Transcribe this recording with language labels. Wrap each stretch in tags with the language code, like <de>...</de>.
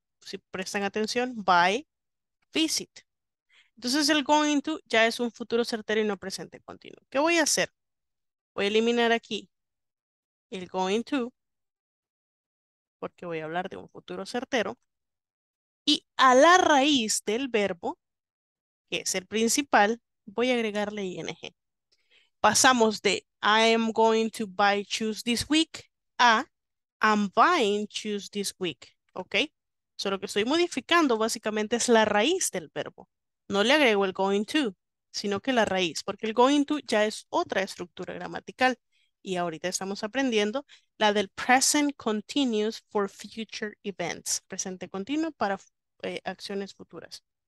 <es>Si prestan atención, by, visit. Entonces el going to ya es un futuro certero y no presente continuo. ¿Qué voy a hacer? Voy a eliminar aquí el going to, porque voy a hablar de un futuro certero. Y a la raíz del verbo, que es el principal, voy a agregarle ing. Pasamos de</es> <en>I am going to buy shoes this week a I'm buying shoes this week.</en> <es>¿Ok? So lo que estoy modificando básicamente es la raíz del verbo. No le agrego el going to, sino que la raíz, porque el going to ya es otra estructura gramatical y ahorita estamos aprendiendo la del present continuous for future events, presente continuo para acciones futuras.</es>